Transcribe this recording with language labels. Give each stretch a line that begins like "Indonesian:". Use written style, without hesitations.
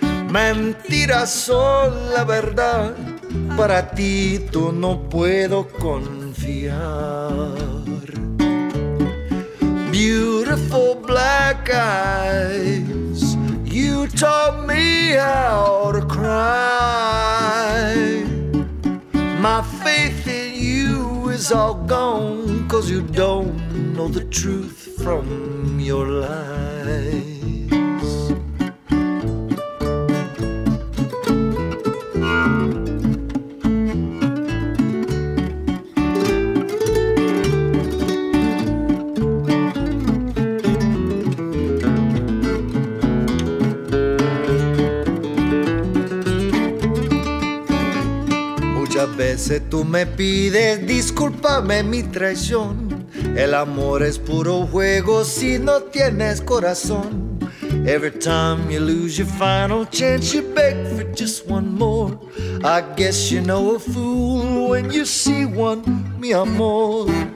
Spanish: Mentiras son la verdad, para ti tú no puedo confiar.
English: Beautiful black eyes, you taught me how to cry. My faith in you is all gone, 'cause you don't know the truth from your lies.
Spanish: Si tú me pides discúlpame mi traición. El amor es puro juego si no tienes corazón.
English: Every time you lose your final chance, you beg for just one more. I guess you know a fool when you see one,
Spanish: mi amor.